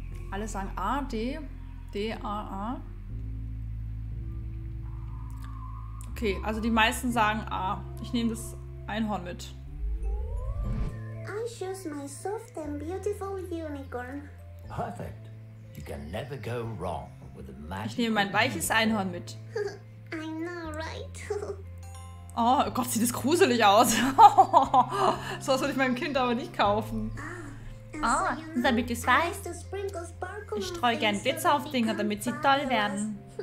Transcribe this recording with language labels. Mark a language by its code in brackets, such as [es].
[de] Alle sagen A, D, D, A, A. Okay, also die meisten sagen A. Ich nehme das Einhorn mit. [en] I choose my soft and beautiful unicorn. Perfect. You can never go wrong with a magic. [de] Ich nehme mein weiches Einhorn mit. [en] I know, right? [de] Oh Gott, sieht das gruselig aus. So was würde ich meinem Kind aber nicht kaufen. Ah, so damit du es weißt, ich streue gern Witze auf Dinge, damit sie toll werden.